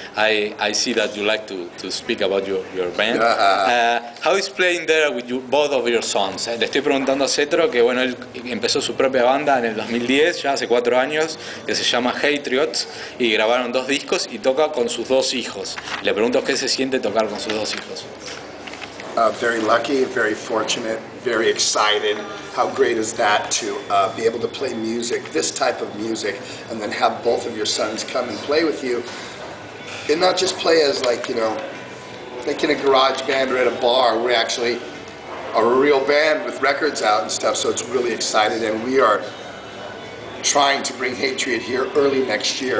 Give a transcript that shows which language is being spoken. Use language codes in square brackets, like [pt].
[en] I see that you like to speak about your band. How is playing there with you, both of your sons? [es] Le estoy preguntando a Cetro, que bueno, él empezó su propia banda en el 2010, ya hace 4 años, que se llama Hatriot, y grabaron 2 discos y toca con sus 2 hijos. Le pregunto qué se siente tocar con sus 2 hijos. [en] very lucky, very fortunate, very excited. How great is that to be able to play music, this type of music, and then have both of your sons come and play with you, and not just play as like, you know, like in a garage band or at a bar. We're actually a real band with records out and stuff, so it's really exciting, and we are trying to bring Hatriot here early next year.